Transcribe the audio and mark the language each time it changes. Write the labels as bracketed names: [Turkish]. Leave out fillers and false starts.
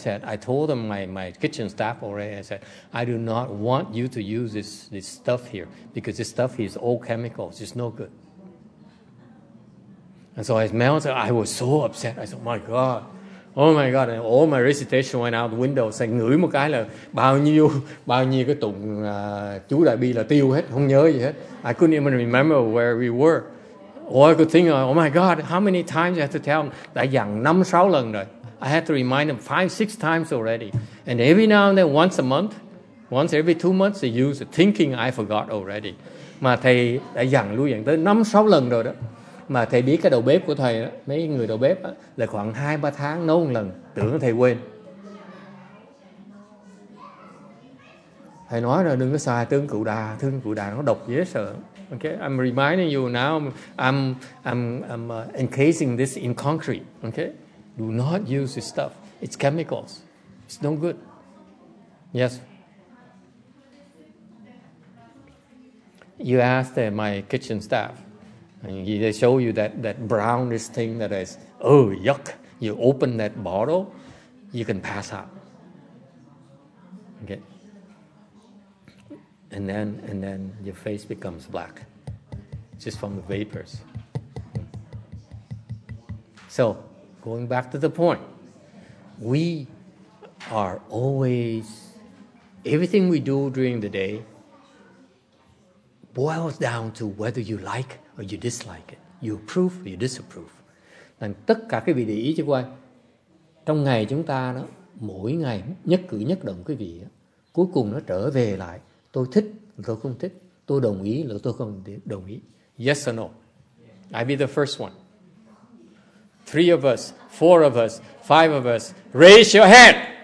[English] I told them my kitchen staff already, I said, I do not want you to use this stuff here, because this stuff is all chemicals, it's no good. And so I smelled, I was so upset. I said, oh my God, and all my recitation went out the window. [Vietnamese] Say, ngửi một cái là bao nhiêu cái tụng chú Đại Bi là tiêu hết, không nhớ gì hết. [English] I couldn't even remember where we were. All I could think of, oh my God, how many times I have to tell them? [Vietnamese] Đã dặn 5-6 lần rồi. [English] I had to remind them 5-6 times already. And every now and then, once a month, once every 2 months, they use thinking I forgot already. [Vietnamese] Mà thầy đã dặn lưu dặn tới 5-6 lần rồi đó. mà thầy biết cái đầu bếp của thầy đó, mấy người đầu bếp đó, là khoảng 2-3 tháng nấu một lần, tưởng thầy quên. Thầy nói là đừng có xài thương cựu đà nó độc dễ sợ. [English] Okay, I'm reminding you now. I'm encasing this in concrete. Okay, do not use this stuff. It's chemicals. It's no good. Yes. You ask my kitchen staff, and they show you that brownish thing that is, oh, yuck. You open that bottle, you can pass out. Okay. And then your face becomes black, just from the vapors. So, going back to the point, we are always, everything we do during the day boils down to whether you like or you dislike it. You approve or you disapprove. [Vietnamese] Nên tất cả cái vị để ý cho quay, trong ngày chúng ta đó, mỗi ngày nhất cử nhất động quý vị, cuối cùng nó trở về lại, tôi thích, tôi không thích, tôi đồng ý, tôi không đồng ý. [English] Yes or no? I be the first one. 3 of us, 4 of us, 5 of us, raise your hand.